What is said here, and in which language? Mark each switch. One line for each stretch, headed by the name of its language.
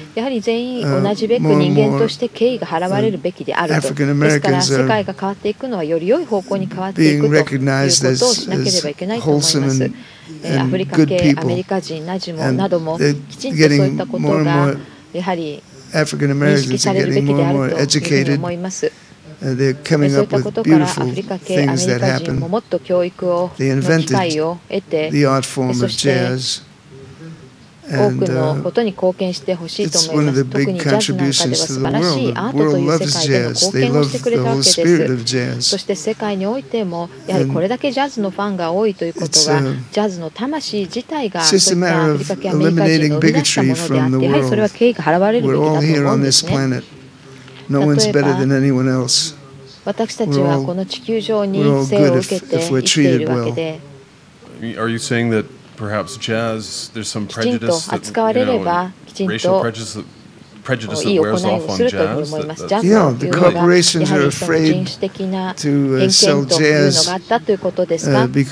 Japanese: やはり全員同じべく人間として敬意が払われるべきであると。ですから世界が変わっていくのはより良い方向に変わっていくということをしなければいけないと思います。アフリカ系アメリカ人などもきちんとそういったことがやはり
English: African Americans are getting more and more educated. They're coming up with beautiful things that happen. They invented the art form of jazz. And it's one of the big contributions to the world. The world loves jazz. They love the whole spirit of jazz.
Japanese: そして世界においてもやはりこれだけジャズのファンが多いということは、ジャズの魂自体がそういったアフリカ系アメリカ人を生み出したものであって、やはりそれは敬意が払われるべきだと思うんですね。例えば私たちはこの地球上に生を受けて生きているわけで、
English: Are you saying that perhaps jazz, there's some prejudice that, you know, racial prejudice?
Japanese: いい行いをするというふうに思います。ジャズというのがやはりその人種的な偏見というのがあったということですか。